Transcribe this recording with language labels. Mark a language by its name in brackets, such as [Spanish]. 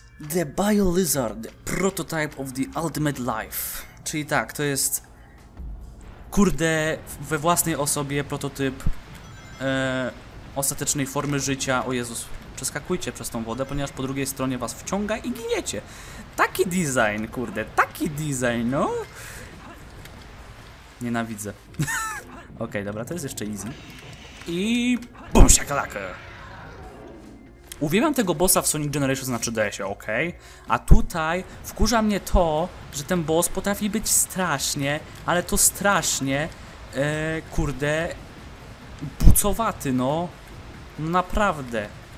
[English] The BioLizard, the prototype of the ultimate life. [Polish] Czyli tak, to jest, kurde, we własnej osobie prototyp ostatecznej formy życia. O Jezus, przeskakujcie przez tą wodę, ponieważ po drugiej stronie was wciąga i giniecie. Taki design, kurde, taki design, no. Nienawidzę. Okej, okay, dobra, to jest jeszcze easy. I... BUM SIAKALAKĘ! Uwielbiam tego bossa w Sonic Generations na 3DS-ie, okej? Okay? A tutaj wkurza mnie to, że ten boss potrafi być strasznie, ale to strasznie, kurde, bucowaty, no. No naprawdę.